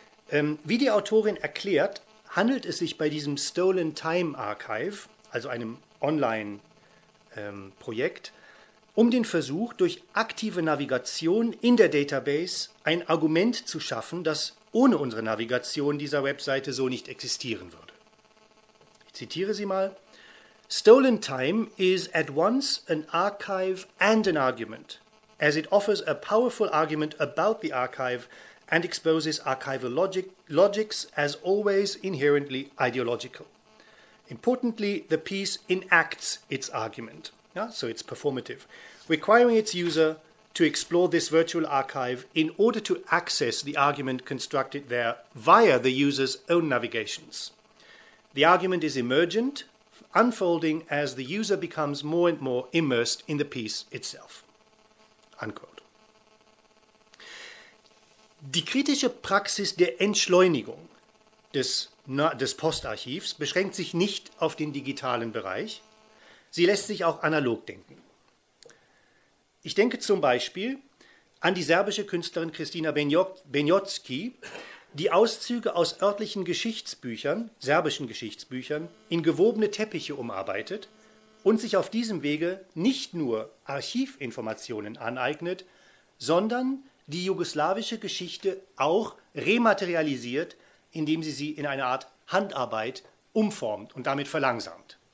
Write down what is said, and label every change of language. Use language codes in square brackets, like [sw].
[de] Wie die Autorin erklärt, handelt es sich bei diesem Stolen Time Archive, also einem Online-Projekt, um den Versuch, durch aktive Navigation in der Database ein Argument zu schaffen, das ohne unsere Navigation dieser Webseite so nicht existieren würde. Ich zitiere sie mal. [en] Stolen time is at once an archive and an argument, as it offers a powerful argument about the archive and exposes archival logics as always inherently ideological. Importantly, the piece enacts its argument. Yeah, so it's performative, requiring its user to explore this virtual archive in order to access the argument constructed there via the user's own navigations. The argument is emergent, unfolding as the user becomes more and more immersed in the piece itself. Unquote. [de] Die kritische Praxis der Entschleunigung des Postarchivs beschränkt sich nicht auf den digitalen Bereich. Sie lässt sich auch analog denken. Ich denke zum Beispiel an die serbische Künstlerin Kristina Benjotski, die Auszüge aus örtlichen Geschichtsbüchern, serbischen Geschichtsbüchern, in gewobene Teppiche umarbeitet und sich auf diesem Wege nicht nur Archivinformationen aneignet, sondern die jugoslawische Geschichte auch rematerialisiert, indem sie sie in eine Art Handarbeit umformt und damit verlangsamt.